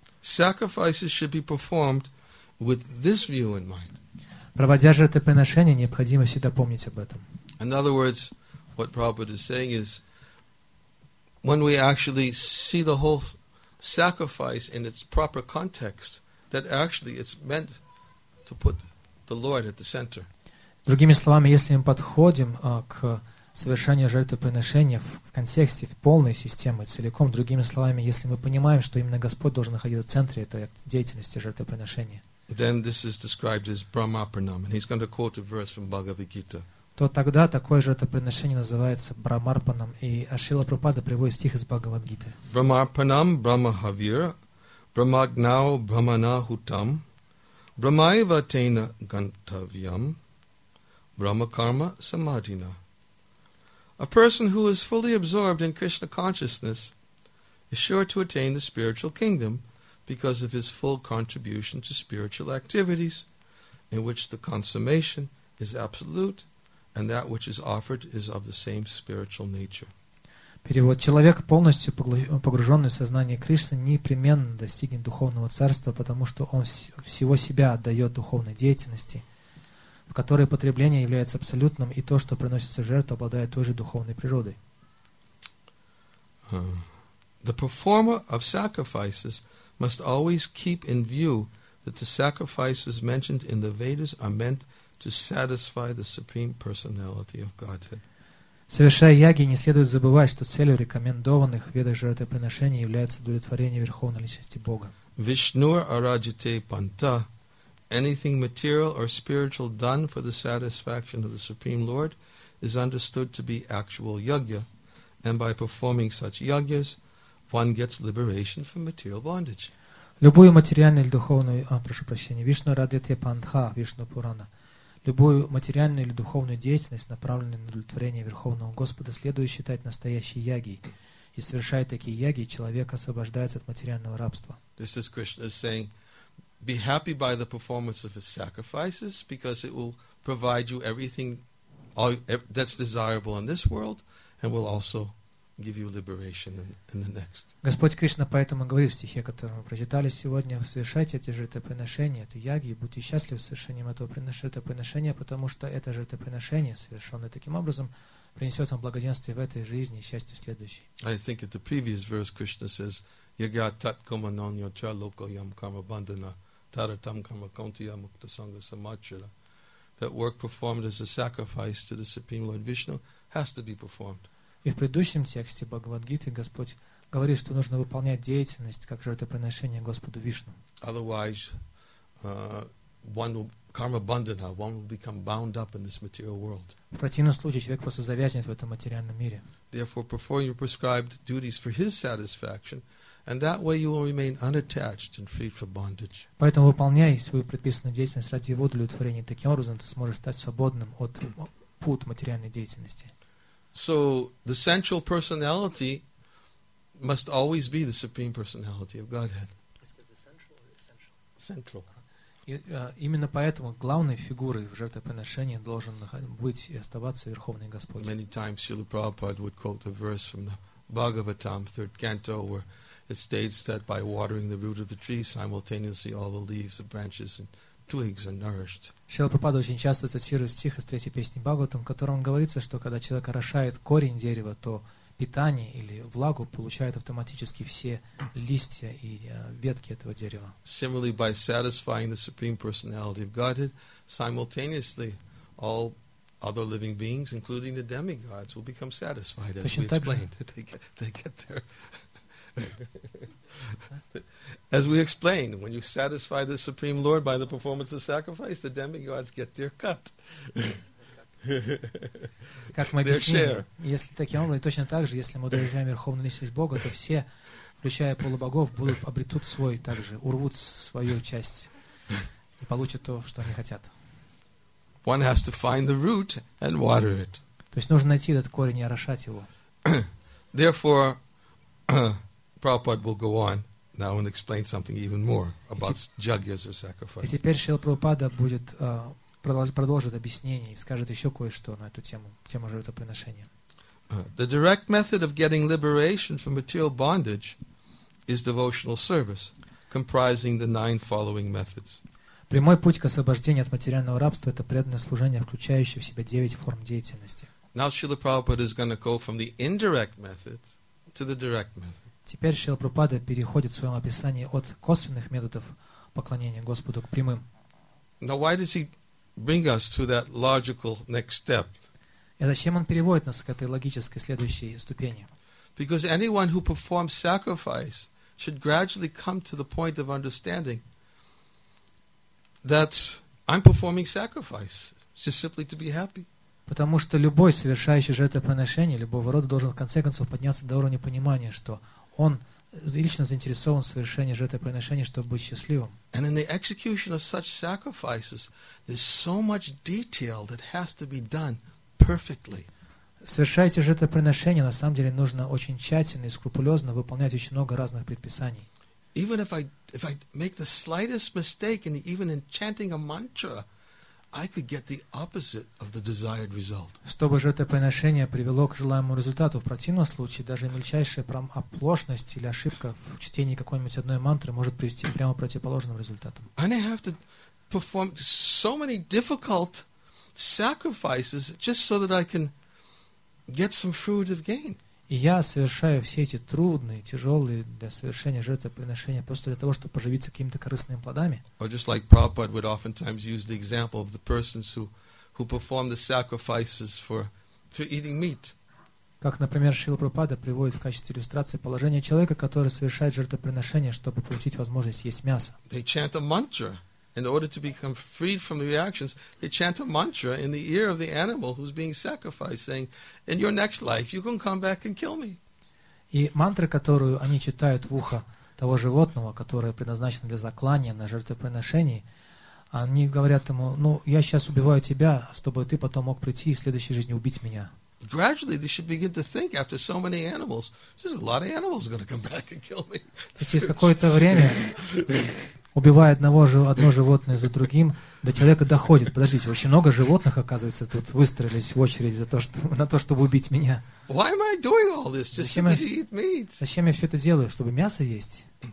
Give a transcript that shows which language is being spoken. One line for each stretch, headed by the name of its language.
English: Sacrifices should be performed with this view in mind.
Russian: Проводя жертвоприношения, необходимо всегда помнить об этом.
English: In other words, what Prabhupada is saying is, when we actually see the whole sacrifice in its proper context, that actually it's meant to put the Lord at the center.
Russian: Другими словами, если мы подходим к совершению жертвоприношения в контексте, в полной системе, целиком, другими словами, если мы понимаем, что именно Господь должен находиться в центре этой деятельности жертвоприношения,
English: then this is described as brahmarpanam, and he's going to quote a verse from Bhagavad Gita.
Russian: То тогда такое жертвоприношение называется брахмарпанам, и Шрила Прабхупада приводит стих из Бхагавад-гиты.
Sanskrit: Брахмарпанам брахмахавира брахмагнау брахманахутам брахмаева тейна гантавьям брахмакарма самадхина.
English: A person who is fully absorbed in Krishna consciousness is sure to attain the spiritual kingdom because of his full contribution to spiritual activities in which the consummation is absolute and that which is offered is of the same spiritual nature.
Russian: Перевод. Человек, полностью погруженный в сознание Кришны, непременно достигнет духовного царства, потому что он всего себя отдает духовной деятельности, в которой потребление является абсолютным, и то, что приносится в жертву, обладает той же духовной природой.
English: The performer of sacrifices must always keep in view that the sacrifices mentioned in the Vedas are meant to satisfy the Supreme Personality of Godhead.
Russian: Совершая яги, не следует забывать, что целью рекомендованных в Ведах жертвоприношений является удовлетворение Верховной Личности Бога.
Sanskrit: Vishnur arajate panta.
English: Anything material or spiritual done for the satisfaction of the Supreme Lord is understood to be actual yagya. And by performing such yagyas, one gets liberation from material bondage.
Russian: Любую материальную или духовную...
Sanskrit: Vishnur arajate panta, Vishnu Purana.
Russian: Любую материальную или духовную деятельность, направленную на удовлетворение Верховного Господа, следует считать настоящей ягией. И совершая такие яги, человек освобождается от материального рабства.
English: This is Krishna saying, be happy by the performance of his sacrifices, because it will provide you everything that's desirable in this world, and will also give you liberation in the next.
Russian: Господь Кришна поэтому говорит в стихе, который мы прочитали сегодня, совершайте эти жертвоприношения, эту яги, и будьте счастливы с совершением этого жертвоприношения, потому что это жертвоприношение, совершенное таким образом, принесет вам благоденствие в этой жизни и счастье в следующей.
English: I think in the previous verse Krishna says,
Sanskrit: Yagya tat kama non yotra loko yam karma bandana taratam karma kontiya mukta sangha samachara.
English: That work performed as a sacrifice to the Supreme Lord Vishnu has to be performed.
Russian: И в предыдущем тексте Бхагавад-гиты Господь говорит, что нужно выполнять деятельность как жертвоприношение Господу Вишну.
English: Otherwise, one will karma bandana, one will become bound up in this material world.
Russian: В противном случае человек просто завязнет в этом материальном мире.
English: Therefore, perform your prescribed duties for his satisfaction, and that way you will remain unattached and free from bondage.
Russian: Поэтому выполняй свою предписанную деятельность ради его удовлетворения. Таким образом, ты сможешь стать свободным от пут материальной деятельности.
English: So the central personality must always be the supreme personality of Godhead. Central.
Russian: Именно поэтому главной фигурой в жертвоприношении должен быть и оставаться Верховный Господь.
English: Many times Srila Prabhupada would quote a verse from the Bhagavatam, third canto, where it states that by watering the root of the tree, simultaneously all the leaves, the branches, and twigs are nourished.
Russian: Шрила Прабхупада очень часто цитирует стих из третьей песни Бхагаватам, в котором говорится, что когда человек орошает корень дерева, то питание или влагу получают автоматически все листья и ветки этого дерева.
English: Similarly, by satisfying the Supreme Personality of Godhead, simultaneously all other living beings, including the demigods, will become satisfied, as we explained. They get there. As we explained, when you satisfy the Supreme Lord by the performance of sacrifice, the demigods get their cut.
Russian: Как мы объяснили, если таким образом, точно так же, если мы удовлетворяем Верховную Личность Бога, то все, включая полубогов, будут обретут свой также, урвут свою часть и получат то, что они хотят.
English: One has to find the root and water it.
Russian: То есть нужно найти этот корень и орошать его.
English: Therefore, Prabhupada will go on now and explain something even more about yagyas or sacrifices.
Russian: И теперь Шрила Прабхупада будет продолжит объяснение и скажет еще кое-что на эту тему, тему жертвоприношения.
English: The direct method of getting liberation from material bondage is devotional service, comprising the nine following methods.
Russian: Прямой путь к освобождению от материального рабства — это преданное служение, включающее в себя девять форм деятельности.
English: Now Srila Prabhupada is going to go from the indirect method to the direct method.
Russian: Теперь Шрила Прабхупада переходит в своем описании от косвенных методов поклонения Господу к прямым.
English: Now why does he bring us to that logical next step?
Russian: И зачем он переводит нас к этой логической следующей ступени?
English: Because anyone who performs sacrifice should gradually come to the point of understanding that I'm performing sacrifice just simply to be happy.
Russian: Потому что любой совершающий жертвоприношение любого рода должен в конце концов подняться до уровня понимания, что он лично заинтересован в совершении жертвоприношения, чтобы быть счастливым.
English: And in the execution of such sacrifices, there's so much detail that has to be done perfectly.
Russian: Совершая эти жертвоприношения, на самом деле нужно очень тщательно и скрупулезно выполнять очень много разных предписаний.
English: Even if I make the slightest mistake in even in chanting a mantra, I could get the opposite of the desired result.
Russian: Чтобы жертвоприношение привело к желаемому результату, в противном случае даже мельчайшая оплошность или ошибка в чтении какой-нибудь одной мантры может привести к прямо противоположным результатам.
English: And I have to perform so many difficult sacrifices just so that I can get some fruitive gain.
Russian: И я совершаю все эти трудные, тяжелые для совершения жертвоприношения просто для того, чтобы поживиться какими-то корыстными плодами.
English: Or just like Prabhupada would oftentimes use the example of the persons who perform the sacrifices for eating meat.
Russian: Как, например, Шрила Прабхупада приводит в качестве иллюстрации положение человека, который совершает жертвоприношение, чтобы получить возможность есть мясо.
English: They chant a mantra in order to become freed from the reactions. They chant a mantra in the ear of the animal who's being sacrificed, saying, "In your next life, you can come back and kill me."
Russian: И мантра, которую они читают в ухо того животного, которое предназначено для заклания на жертвоприношении, они говорят ему: "Ну, я сейчас убиваю тебя, чтобы ты потом мог прийти и в следующей жизни убить меня."
English: Gradually, they should begin to think after so many animals. There's a lot of animals going to come back and kill me.
Russian: Через какое-то время. Убивая одно животное за другим, до человека доходит. Подождите, очень много животных, оказывается, тут выстроились в очередь на то, чтобы убить меня.
English: Why am I doing all this?
Russian: Зачем я все это делаю? Чтобы мясо есть?